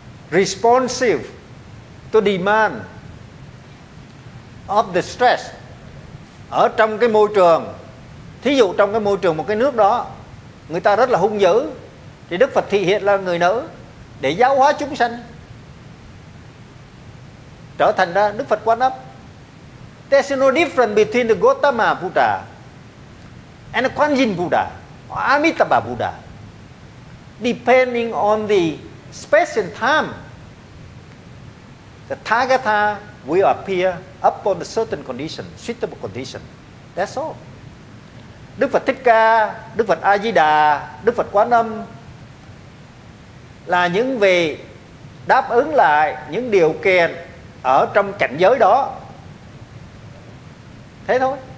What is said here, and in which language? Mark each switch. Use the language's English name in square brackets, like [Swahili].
[English] Responsive to demand of the stress. [Vietnamese] Ở trong cái môi trường, thí dụ trong cái môi trường một cái nước đó, người ta rất là hung dữ, thì Đức Phật thị hiện là người nữ để giáo hóa chúng sanh, trở thành ra Đức Phật Quan Âm. [English] There's no difference between the Gautama Buddha and the Kuan Yin Buddha or Amitabha Buddha. Depending on the space and time, the Tathagata will appear upon a certain condition, suitable condition. That's all. [Vietnamese] Đức Phật Thích Ca, Đức Phật A Di Đà, Đức Phật Quán Âm là những vị đáp ứng lại những điều kiện ở trong cảnh giới đó. Thế thôi.